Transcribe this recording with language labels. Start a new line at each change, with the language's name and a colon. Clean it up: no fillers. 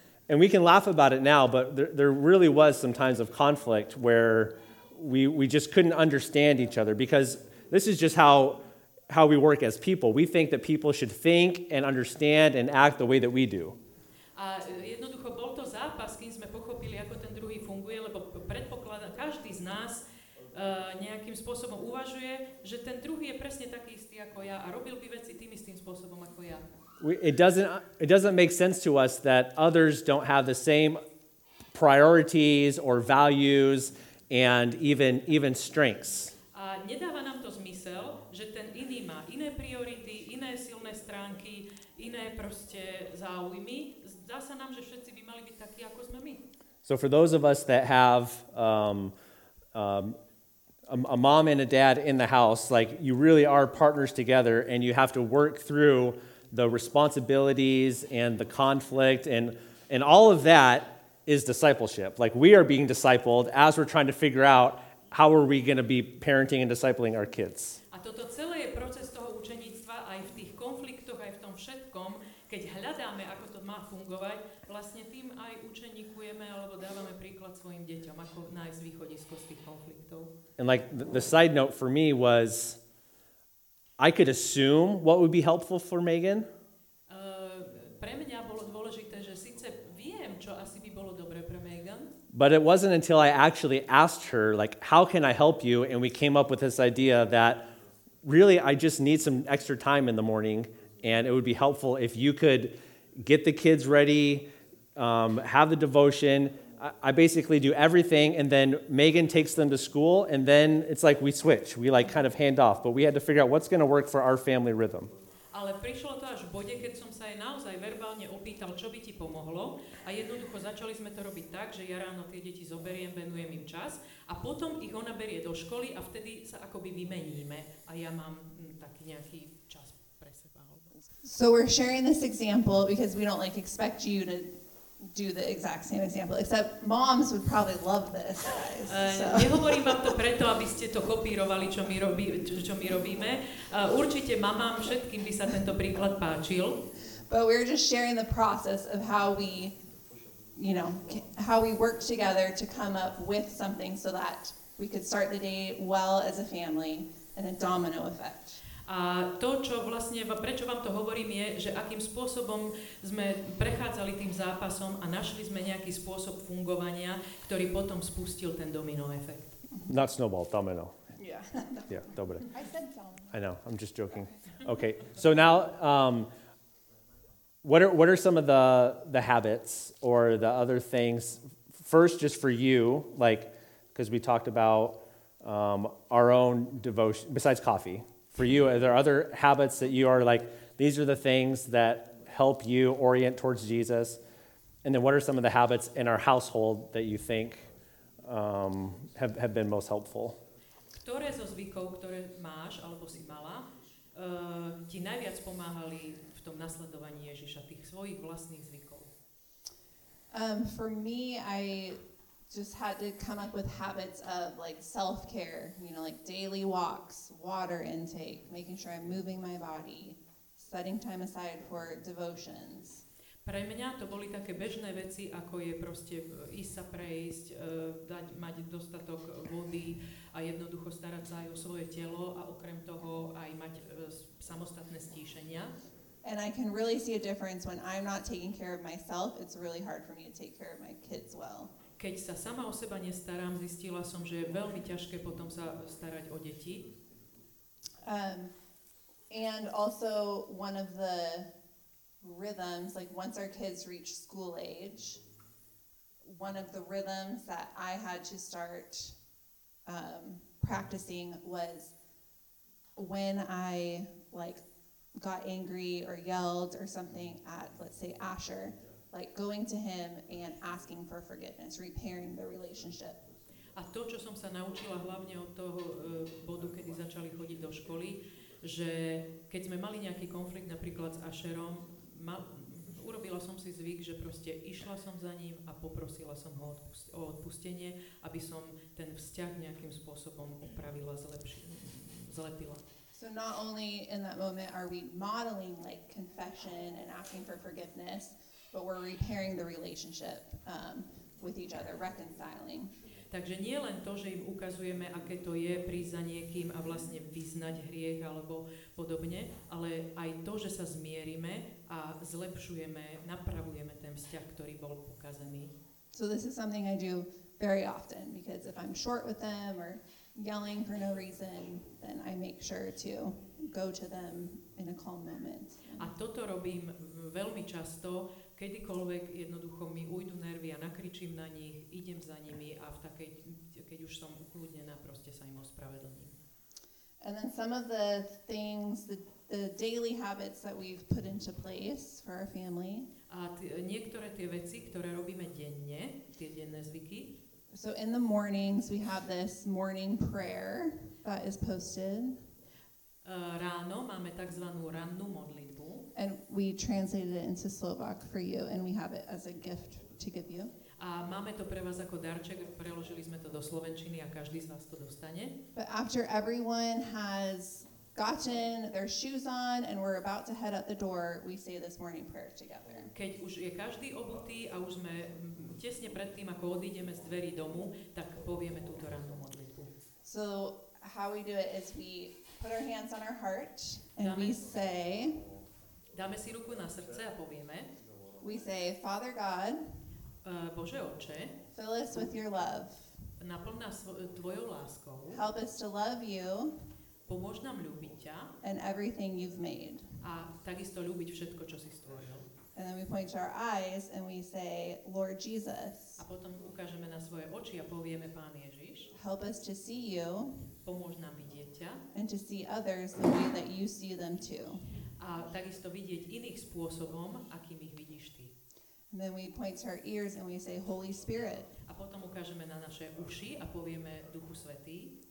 English: And we can laugh about it now, but there really was some times of conflict where we just couldn't understand each other, because this is just how we work as people. We think that people should think and understand and act the way that we do.
Slovak: A jednoducho bol to zápas, kým sme pochopili, ako ten druhý funguje, lebo predpokladá, každý z nás nejakým spôsobom uvažuje, že ten druhý je presne taký istý ako ja a robil by veci tým istým spôsobom ako ja.
English: It doesn't make sense to us that others don't have the same priorities or values and even strengths.
Slovak: A nedáva nám to zmysel, že ten iný má iné priority, iné silné stránky, iné proste záujmy. Zdá sa nám, že všetci by mali byť takí, ako sme my.
English: So for those of us that have a mom and a dad in the house, like, you really are partners together and you have to work through the responsibilities and the conflict and all of that is discipleship. Like, we are being discipled as we're trying to figure out how are we going to be parenting and discipling our kids.
Slovak: A toto celé je proces toho učeníctva aj v tých konfliktoch, aj v tom všetkom, keď hľadáme, ako to má fungovať, vlastne tým aj učeníkujeme alebo dávame príklad svojim deťom, ako nájsť východisko z tých konfliktov.
English: And like the side note for me was I could assume what would be helpful for Megan.
Slovak: Pre mňa bolo dôležité, že síce viem, čo asi by bolo dobre pre Megan.
English: But it wasn't until I actually asked her, like, how can I help you? And we came up with this idea that really I just need some extra time in the morning and it would be helpful if you could get the kids ready, have the devotion. I basically do everything and then Megan takes them to school and then it's like we switch. We like kind of hand off, but we had to figure out what's going to work for our family rhythm.
Slovak: Ale prišlo to až v bode, keď som sa aj naozaj verbálne opýtal, čo by ti pomohlo. A jednoducho začali sme to robiť tak, že ja ráno tie deti zoberiem, venujem im čas a potom ich ona berie do školy a vtedy sa akoby vymeníme a ja mám taký nejaký čas pre seba.
English: So we're sharing this example because we don't like expect you to do the exact same example, except moms would probably love this, guys.
Slovak: Nehovorím vám to preto, aby ste to kopírovali, čo my robíme. Určite mamám všetkým by sa tento príklad páčil.
English: But we're just sharing the process of how we, you know, how we work together to come up with something so that we could start the day well as a family and a domino effect.
Slovak: A to, čo vlastne, prečo vám to hovorím, je, že akým spôsobom sme prechádzali tým zápasom a našli sme nejaký spôsob fungovania, ktorý potom spustil ten domino efekt.
English: Not snowball, domino. Yeah. Yeah,
Slovak: dobre.
English: I said domino. I know, I'm just joking. Okay, so now, what are some of the habits or the other things? First, just for you, like, because we talked about our own devotion, besides coffee. For you, are there other habits that you are like, these are the things that help you orient towards Jesus? And then what are some of the habits in our household that you think have been most helpful?
Slovak: Ktoré zo zvykov, ktoré máš, alebo si mala, ti najviac pomáhali v tom nasledovaní Ježiša, tých svojich vlastných zvykov?
English: For me, I just had to come up with habits of like self-care, you know, like daily walks, water intake, making sure I'm moving my body, setting time aside for devotions.
Slovak: Pre mňa to boli také bežné veci, ako je proste ísť sa prejsť, mať dostatok vody a jednoducho starať sa aj o svoje telo a okrem toho aj mať samostatné stíšenia.
English: And I can really see a difference when I'm not taking care of myself, it's really hard for me to take care of my kids well.
Slovak: Keď sa sama o seba nestarám, zistila som, že je veľmi ťažké potom sa starať o deti.
English: And also one of the rhythms, like once our kids reach school age, one of the rhythms that I had to start practicing was when I like got angry or yelled or something at, let's say, Asher, like going to him and asking for forgiveness, repairing the relationship.
Slovak: A to, čo som sa naučila hlavne od toho bodu, kedy začali chodiť do školy, že keď sme mali nejaký konflikt napríklad s Asherom, urobila som si zvyk, že proste išla som za ním a poprosila som ho o odpustenie, aby som ten vzťah nejakým spôsobom upravila, zlepila.
English: So not only in that moment are we modeling like confession and asking for forgiveness, but we're repairing the relationship with each other, reconciling.
Slovak: Takže nie len to, že im ukazujeme, aké to je prísť za niekým a vlastne vyznať hriech alebo podobne, ale aj to, že sa zmierime a zlepšujeme, napravujeme ten vzťah, ktorý bol pokazený.
English: So this is something I do very often, because if I'm short with them or yelling for no reason, then I make sure to go to them in a calm moment.
Slovak: A toto robím veľmi často. Kedykoľvek jednoducho mi ujdu nervy a nakričím na nich, idem za nimi a v takej, keď už som ukľudnená, proste sa im ospravedlním.
English: And then some of the things, the daily habits that we've put into place for our family.
Slovak: A niektoré tie veci, ktoré robíme denne, tie denné zvyky.
English: So in the mornings we have this morning prayer that is posted.
Slovak: Ráno máme takzvanú rannú modlitbu.
English: And we translated it into Slovak for you, and we have it as a gift to give you.
Slovak: A máme to pre vás ako darček, preložili sme to do slovenčiny a každý z vás to dostane.
English: But after everyone has gotten their shoes on and we're about to head out the door, we say this morning prayer together.
Slovak: Keď už je každý obutý a už sme tesne pred tým, ako odídeme z dverí domu, tak povieme túto rannú modlitbu.
English: So how we do it is we put our hands on our heart and we say,
Slovak: dáme si ruku na srdce a povieme,
English: we say, Father God,
Slovak: Bože Otče,
English: fill us with your love.
Slovak: Naplň nás tvojou láskou.
English: Help us to love you.
Slovak: Pomôž nám ľúbiť ťa.
English: And everything you've made.
Slovak: A takisto ľúbiť všetko, čo si stvoril.
English: And then we point our eyes and we say, Lord Jesus.
Slovak: A potom ukážeme na svoje oči a povieme, Pán Ježiš.
English: Help us to see you.
Slovak: Pomôž nám vidieť ťa.
English: And to see others the way that you see them too.
Slovak: A takisto vidieť iných spôsobom, akým ich vidíš ty.
English: And then we point to our ears and we say, Holy Spirit.
Slovak: A potom ukážeme na naše uši a povieme, Duchu Svätý.